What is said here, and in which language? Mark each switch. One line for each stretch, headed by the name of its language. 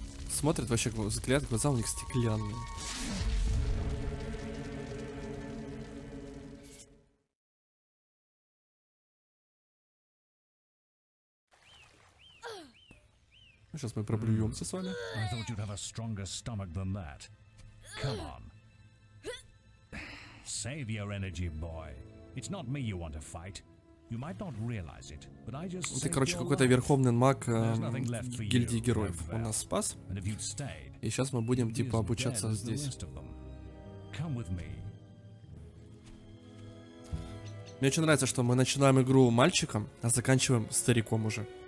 Russian: смотрят вообще, взгляд, глаза у них стеклянные. Сейчас мы проблюемся с вами.
English: I thought you'd have a stronger stomach than that. Come on. Save your energy, boy. It's not me you want to fight. You might not realize it, but I just...
Russian: Ты, короче, какой-то верховный маг гильдии героев. Он нас спас. И сейчас мы будем, типа, обучаться здесь.
English: Come with me.
Russian: Мне очень нравится, что мы начинаем игру мальчиком, а заканчиваем стариком уже.